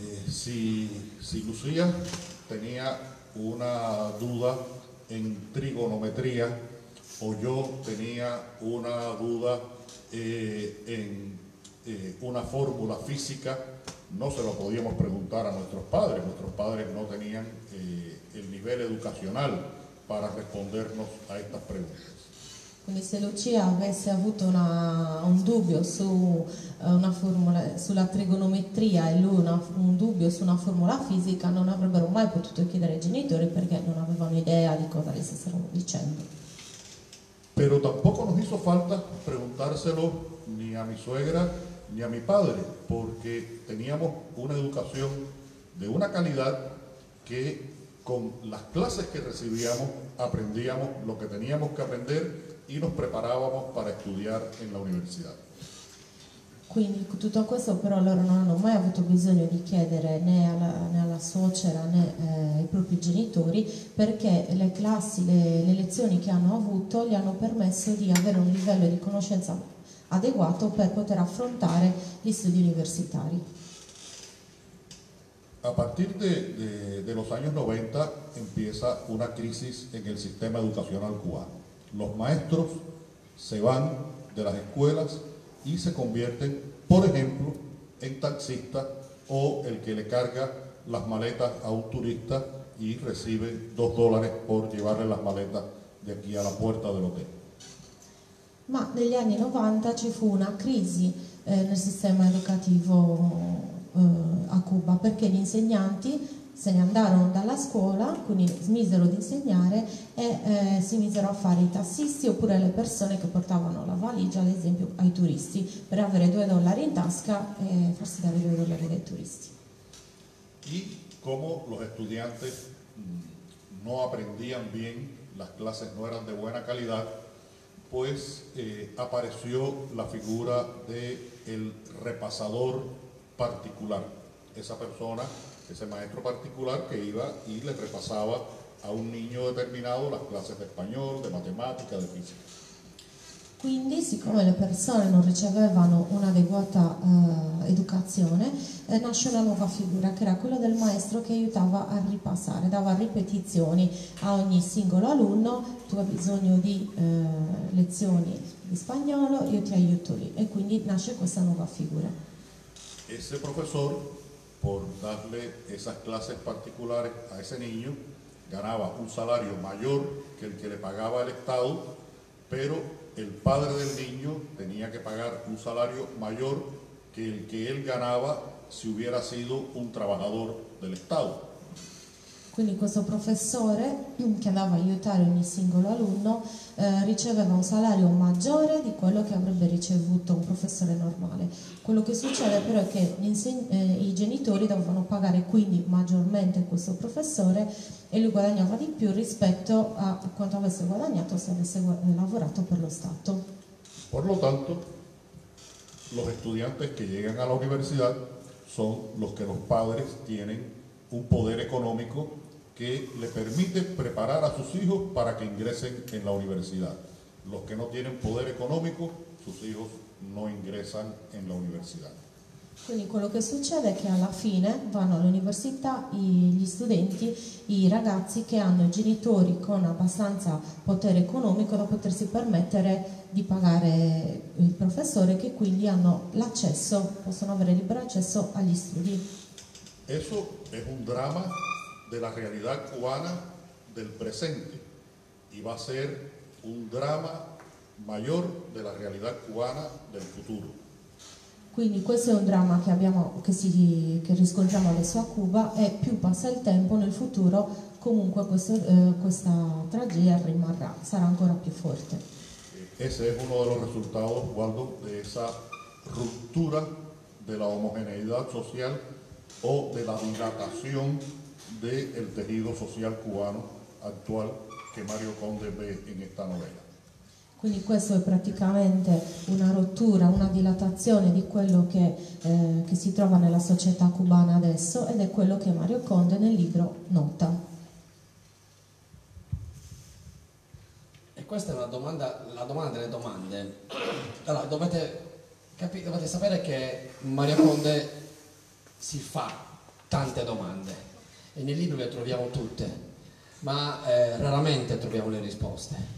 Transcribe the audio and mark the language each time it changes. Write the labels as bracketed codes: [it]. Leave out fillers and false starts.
[es] Si Lucía tenía una duda en trigonometría o yo tenía una duda en una fórmula física, no se lo podíamos preguntar a nuestros padres. Nuestros padres no tenían el nivel educacional para respondernos a estas preguntas. [it] Quindi se Lucia avesse avuto un dubbio su una formula, sulla trigonometria, e lui un dubbio su una formula fisica, non avrebbero mai potuto chiedere ai genitori perché non avevano idea di cosa gli stessero dicendo. [es] Pero tampoco nos hizo falta preguntárselo ni a mi suegra ni a mi padre, porque teníamos una educación de una calidad que con las clases que recibíamos aprendíamos lo que teníamos que aprender y nos preparábamos para estudiar en la universidad. [it] Quindi tutto questo però loro non hanno mai avuto bisogno di chiedere né alla suocera né ai propri genitori, perché le classi, le lezioni che hanno avuto gli hanno permesso di avere un livello di conoscenza adeguato per poter affrontare gli studi universitari. [es] A partir de los años 90 empieza una crisis en el sistema educacional cubano. Los maestros se van de las escuelas y se convierten, por ejemplo, en taxista o el que le carga las maletas a un turista y recibe $2 por llevarle las maletas de aquí a la puerta del hotel. [it] Ma negli anni 90 ci fu una crisi nel sistema educativo a Cuba, perché gli insegnanti se ne andarono dalla scuola, quindi smisero di insegnare e si misero a fare i tassisti oppure le persone che portavano la valigia, ad esempio, ai turisti per avere $2 in tasca e farsi dare $2 dai turisti. E come gli studenti non [es] apprendían bien, [it] le classi non erano di buona qualità, [es] pues apareció la figura del repasador particular, esa persona, ese maestro particular que iba y le repasaba a un niño determinado las clases de español, de matemática, de física. [it] Quindi, siccome le persone non ricevevano un'adeguata educazione, nasce una nuova figura, che era quella del maestro che aiutava a ripassare, dava ripetizioni a ogni singolo alunno: tu hai bisogno di lezioni di spagnolo, io ti aiuto lì. E quindi nasce questa nuova figura. [es] Ese profesor, por darle esas clases particulares a ese niño, ganaba un salario mayor que el que le pagaba el Estado, pero el padre del niño tenía que pagar un salario mayor que el que él ganaba si hubiera sido un trabajador del Estado. [it] Quindi questo professore, che andava a aiutare ogni singolo alunno, riceveva un salario maggiore di quello che avrebbe ricevuto un professore normale. Quello che succede però è che i genitori dovevano pagare quindi maggiormente questo professore, e lui guadagnava di più rispetto a quanto avesse guadagnato se avesse lavorato per lo Stato. [es] Por lo tanto, los estudiantes que llegan a la universidad son los que los padres tienen un poder económico que le permite preparar a sus hijos para que ingresen en la universidad. Los que no tienen poder económico, sus hijos no ingresan en la universidad. [it] Quindi quello che succede è che alla fine vanno all'università gli studenti, i ragazzi che hanno genitori con abbastanza potere economico da potersi permettere di pagare il professore, che quindi hanno l'accesso, possono avere libero accesso agli studi. [es] Eso es un drama de la realidad cubana del presente y va a ser un drama mayor de la realidad cubana del futuro. [it] Quindi questo è un dramma che abbiamo, che riscontriamo adesso a Cuba, e più passa il tempo, nel futuro comunque questa tragedia rimarrà, sarà ancora più forte. [es] Ese es uno de los resultados, Waldo, de esa ruptura de la homogeneidad social o de la dilatación del tejido social cubano actual que Mario Conde ve en esta novela. [it] Quindi questo è praticamente una rottura, una dilatazione di quello che si trova nella società cubana adesso, ed è quello che Mario Conde nel libro nota. E questa è la domanda delle domande. Allora, dovete sapere che Mario Conde si fa tante domande, e nel libro le troviamo tutte, ma raramente troviamo le risposte.